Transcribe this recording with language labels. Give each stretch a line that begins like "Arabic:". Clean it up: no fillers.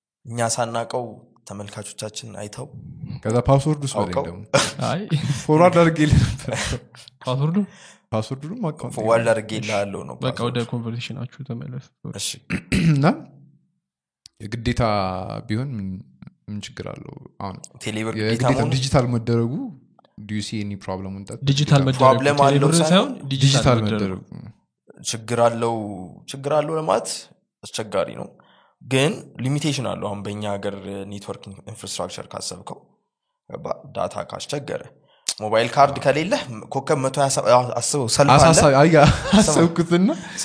Amharic: እኛ ሳናቀው ተመልካቾቻችን አይተው ከዛ ፓስወርድ ውስጥ ወደ እንደው አይ ፎርዋርድ አድርጌልህ ፓስወርዱ ፓስወርዱንም አቀውን ፎርዋርድ አድርጌልሃለሁ ነው በቃ ወደ ኮንቨርሴሽናችሁ ተመለስ እሺ እና የግዴታ ቢሆን ምን ችግር አለው አሁን ቴሌብር ግዴታ ዲጂታል መደረጉ
English: do you see any problem with that
Amharic: ዲጂታል መደረጉ ፕሮብለም አለው ሳይሆን ዲጂታል መደረጉ ችግር አለው ለማለት አስቸጋሪ ነው። ግን ሊሚቴሽን አለው። አሁን በእኛ ሀገር ኔትወርክ ኢንፍራስትራክቸር ካሰብከው ዳታ ካስቸገረ ሞባይል ካርድ ከሌለ ኮከብ 127